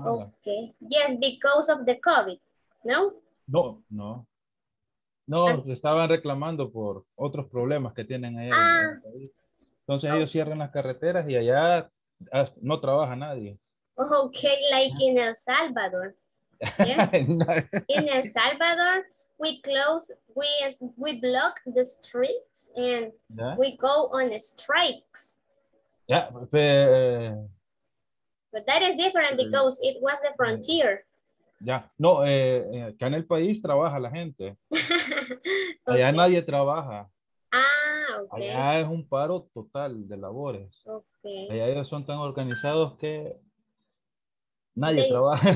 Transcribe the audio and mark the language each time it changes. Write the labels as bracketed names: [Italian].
[English] Okay. Yes, because of the COVID, no? [Spanish] No, estaban reclamando por otros problemas que tienen allá. Entonces ellos cierran las carreteras y allá no trabaja nadie. [English] Okay, like in El Salvador. Yes. In El Salvador, we block the streets and we go on strikes. Yeah, but that is different because it was the frontier. [Spanish] Yeah, no, acá en el país trabaja la gente. Okay. Allá nadie trabaja. Okay. Allá es un paro total de labores. Okay. Allá ellos son tan organizados que nadie trabaja.